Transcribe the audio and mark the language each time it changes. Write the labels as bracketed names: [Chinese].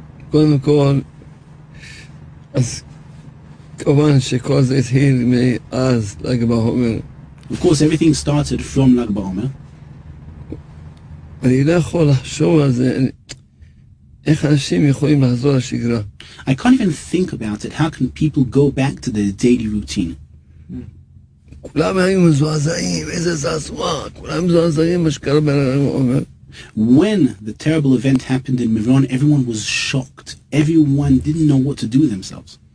[Hebrew] קודם כל, אז כמובן שכל זה התחיל מאז ל"ג בעומר. [English] Of course, everything started from ל"ג בעומר. [Hebrew] אני לא יכול לחשוב על זה, איך אנשים יכולים לחזור לשגרה. [English] I can't even think about it. How can people go back to their daily routine? [Hebrew] כולם היו מזועזעים, איזה זעזוע, כולם מזועזעים מה שקרה בל"ג בעומר. [English] When the terrible event happened in Meron, everyone was shocked. Everyone didn't know what to do with themselves.